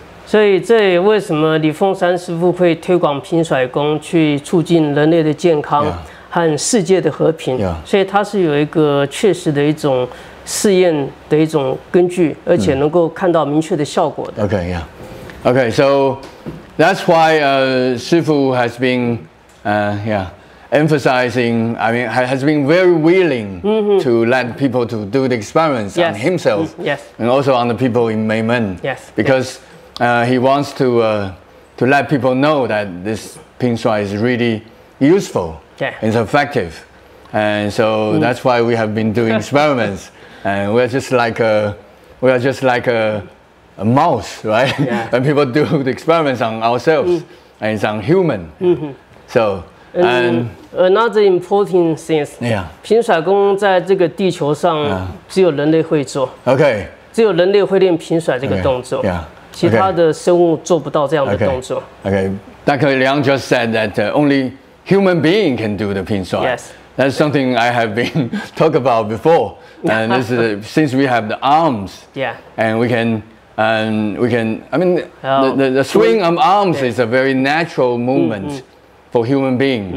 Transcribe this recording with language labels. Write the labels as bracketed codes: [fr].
[zh] 所以这也为什么李凤山师傅会推广平甩功去促进人类的健康 [en] yeah. [zh] 和世界的和平。 [en] Yeah. [zh] 所以它是有一个确实的一种试验的一种根据，而且能够看到明确的效果的。 [en] Okay, yeah. Okay, so that's why Shifu has been, emphasizing, I mean, has been very willing to let people to do the experiments yes. on himself yes. and also on the people in Meimen. Yes. Because yes. He wants to let people know that this Pingshuai is really useful. Yeah. It's effective. And so that's why we have been doing experiments. And we're just like a mouse, right? Yeah. And people do the experiments on ourselves and it's on human. So Another important thing is, yeah. [zh] 平甩功在这个地球上只有人类会做。 [en] OK. [zh] 只有人类会练平甩这个动作。 [en] Okay. Yeah. Okay. [zh] 其他的生物做不到这样的动作。 [en] OK. Dr. Liang just said that only human being can do the Pingshuai. Yes. That's something I have been talked about before. And this is since we have the arms. Yeah. And we can... And we can, I mean, the swing of arms is a very natural movement for human being.